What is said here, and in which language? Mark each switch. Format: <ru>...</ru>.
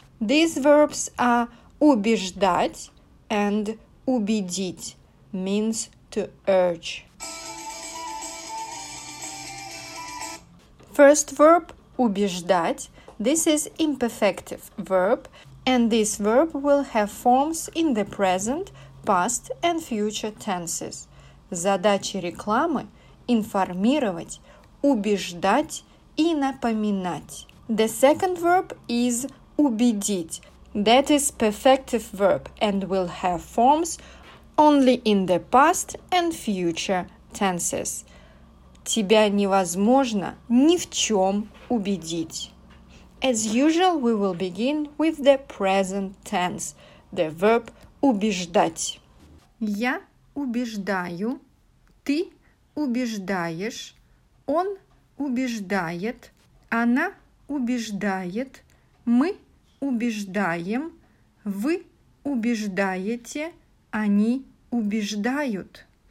<en>These verbs are убеждать and убедить, means to urge. First verb, убеждать, this is imperfective verb. And this verb will have forms in the present, past and future tenses.</en> <ru>Задача рекламы – информировать, убеждать и напоминать.</ru> <en>The second verb is убедить. That is perfective verb and will have forms only in the past and future tenses.</en> <ru>Тебя невозможно ни в чем убедить.</ru> <en>As usual, we will begin with the present tense, the verb убеждать.</en> <ru>Я убеждаю, ты убеждаешь, он убеждает, она убеждает, мы убеждаем, вы убеждаете, они убеждают.</ru>